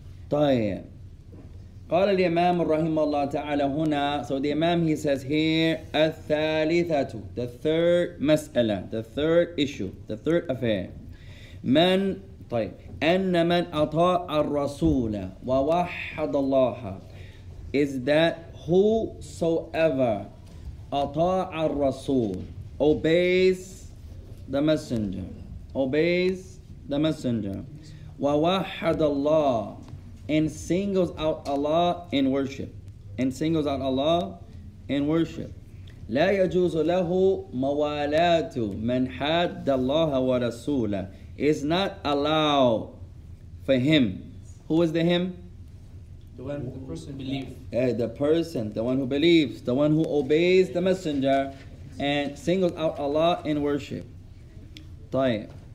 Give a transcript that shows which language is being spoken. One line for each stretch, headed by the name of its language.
Arabic: طيب قال الإمام رحمه الله تعالى هنا.
English: So the Imam, he says here, الثالثة, the third مسألة, the third issue, the third affair.
Arabic: من, طيب, أن من أطاع الرسول ووحد الله,
English: is that whosoever
Arabic: أطاع الرسول,
English: obeys the messenger,
Arabic: ووحد الله,
English: and singles out Allah in worship.
Arabic: لا يجوز له موالاة من حد الله ورسوله.
English: It's not allowed for him. Who is the him? The one who person believes. The person, the one who believes, the one who obeys the messenger and singles out Allah in worship.
Arabic: طيب.